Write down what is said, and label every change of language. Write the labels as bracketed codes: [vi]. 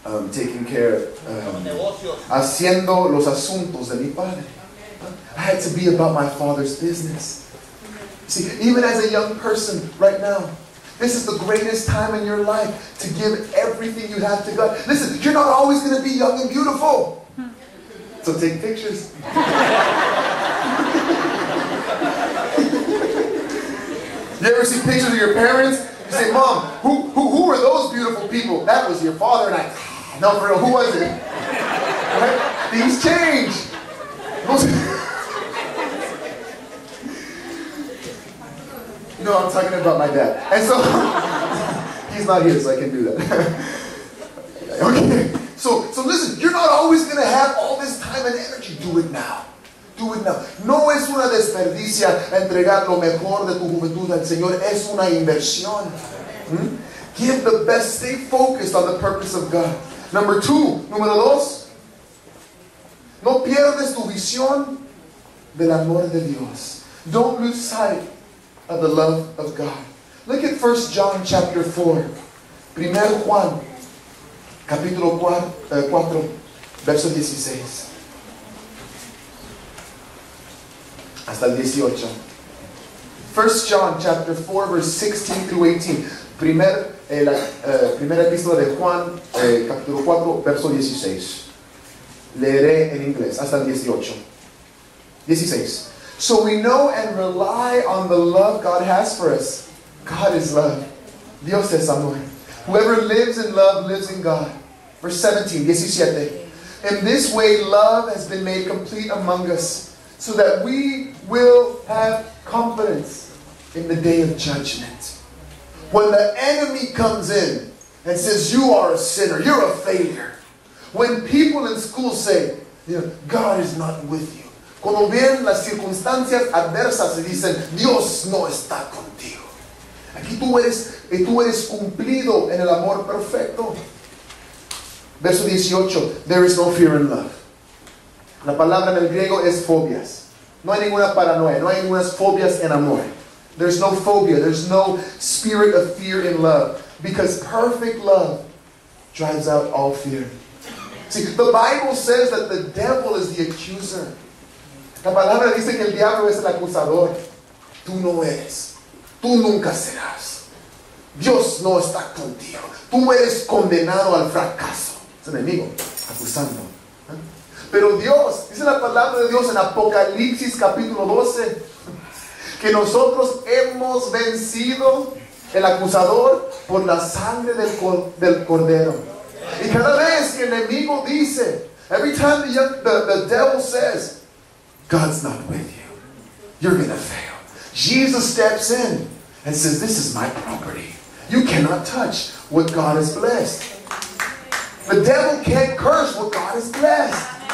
[en] Taking care, [es] haciendo los asuntos de mi padre. [en] I had to be about my father's business. See, even as a young person right now, this is the greatest time in your life to give everything you have to God. Listen, you're not always going to be young and beautiful. So take pictures. You ever see pictures of your parents? You say, Mom, who are those beautiful people? That was your father. And I, no, for real, who was it? Right? Things change. No, I'm talking about my dad. And so, he's not here, so I can do that. Okay. So listen, you're not always going to have all this time and energy. Do it now. Do it now. [es] No es una desperdicia entregar lo mejor de tu juventud al Señor. Es una inversión. [en] Give the best. Stay focused on the purpose of God. Number two. [es] Número dos. No pierdes tu visión del amor de Dios. [en] Don't lose sight of the love of God. Look at 1 John chapter 4. [es] Primer Juan, capítulo 4, verso 16. Hasta el 18. [en] 1 John chapter 4, verse 16 through 18. [es] Primera epístola de Juan, capítulo 4, verso 16. Leeré en inglés, hasta el 18. 16. [en] So we know and rely on the love God has for us. God is love. [es] Dios es amor. [en] Whoever lives in love lives in God. Verse 17, 17. In this way, love has been made complete among us, so that we will have confidence in the day of judgment. When the enemy comes in and says, you are a sinner, you're a failure. When people in school say, you know, God is not with you. [es] Cuando ven las circunstancias adversas y dicen, Dios no está contigo. Aquí tú eres cumplido en el amor perfecto. Verso 18, [en] there is no fear in love. [es] La palabra en el griego es fobias. No hay ninguna paranoia, no hay ninguna fobias en amor. [en] There's no phobia. There's no spirit of fear in love. Because perfect love drives out all fear. See, the Bible says that the devil is the accuser. [es] La palabra dice que el diablo es el acusador. Tú no eres. Tú nunca serás. Dios no está contigo. Tú eres condenado al fracaso. Es enemigo, acusando. Pero Dios, dice la palabra de Dios en Apocalipsis capítulo 12, que nosotros hemos vencido el acusador por la sangre del cordero. Y cada vez que el enemigo dice, [en] every time the devil says, God's not with you, you're gonna fail, Jesus steps in and says, this is my property. You cannot touch what God has blessed. The devil can't curse what God has blessed.